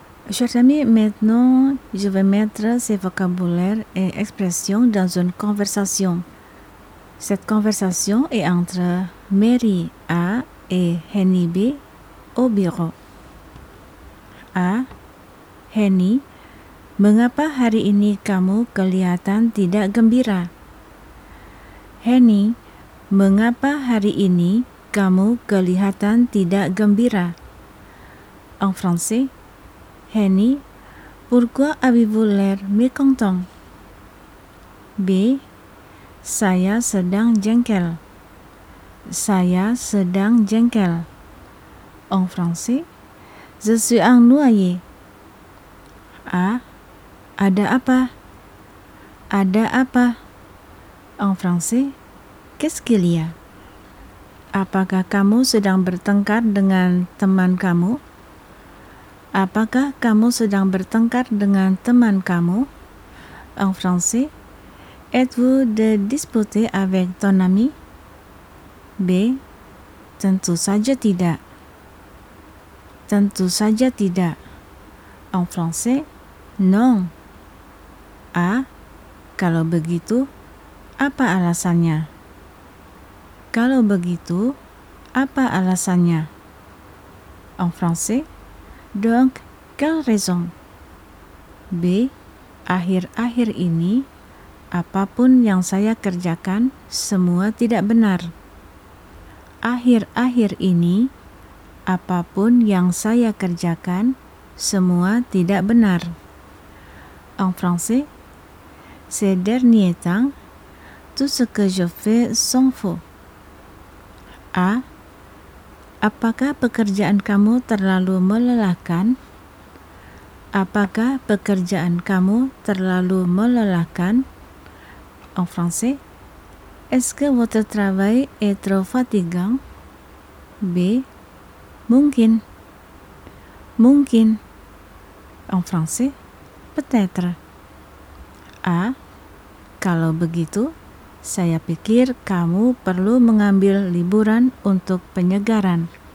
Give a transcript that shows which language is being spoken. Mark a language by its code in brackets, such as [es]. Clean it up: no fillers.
[fr] Chers amis, maintenant, je vais mettre ces vocabulaires et expressions dans une conversation. Cette conversation est entre Mary A et Henny B au bureau. A. [id] Henny, mengapa hari ini kamu kelihatan tidak gembira? Henny, mengapa hari ini kamu kelihatan tidak gembira? [fr] En français, Henny, pourquoi avez-vous l'air mécontent? B. [id] Saya sedang jengkel. Saya sedang jengkel. [fr] En français, je suis ennuyé. A. [id] Ada apa? Ada apa? [fr] En français, qu'est-ce qu'il y a? [id] Apakah kamu sedang bertengkar dengan teman kamu? Apakah kamu sedang bertengkar dengan teman kamu? [fr] En français, êtes-vous de disputer avec ton ami? [id] B. Tentu saja tidak. Tentu saja tidak. [fr] En français, non. A. [id] Kalau begitu, apa alasannya? Kalau begitu, apa alasannya? [fr] En français, donc, quelle raison? B. [id] Akhir-akhir ini, apapun yang saya kerjakan, semua tidak benar. Akhir-akhir ini, apapun yang saya kerjakan, semua tidak benar. [fr] en français. Ces derniers temps, tout ce que je fais sont faux. A. [id] Apakah pekerjaan kamu terlalu melelahkan? Apakah pekerjaan kamu terlalu melelahkan? [fr] En français. Est-ce que votre travail est trop fatigant? B. [id] Mungkin. Mungkin. [fr] En français. Peut-être. A. [id] Kalau begitu, saya pikir kamu perlu mengambil liburan untuk penyegaran.